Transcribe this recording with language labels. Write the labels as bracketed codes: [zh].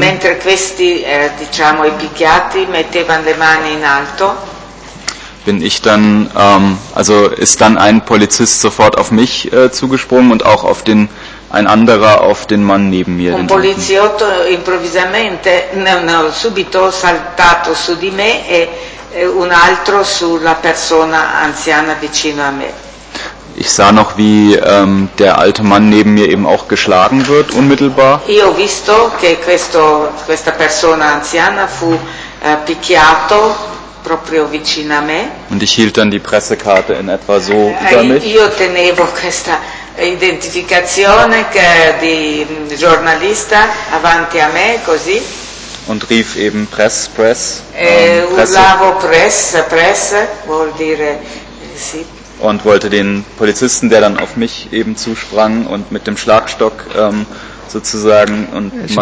[it] Mentre questi diciamo i picchiati mettevano le mani in alto. [de] Bin ich dann, also ist dann ein Polizist sofort auf mich zugesprungen und auch auf den ein anderer auf den Mann neben mir. [it] Un poliziotto improvvisamente, subito saltato su di me e un altro sulla persona anziana vicino a me. [de] Ich sah noch, wie der alte Mann neben mir eben auch geschlagen wird unmittelbar. [it] Io ho visto che questa persona anziana fu picchiato. Proprio vicino a me. [de] Und ich hielt dann die Pressekarte in etwa so über mich. [it] Io tenevo questa identificazione di giornalista avanti a me, così. [de] Und rief eben Press, Press. [it] Urlavo Press, Press, vuol dire sì. [de] Und wollte den Polizisten, der dann auf mich eben zusprang und mit dem Schlagstock sozusagen und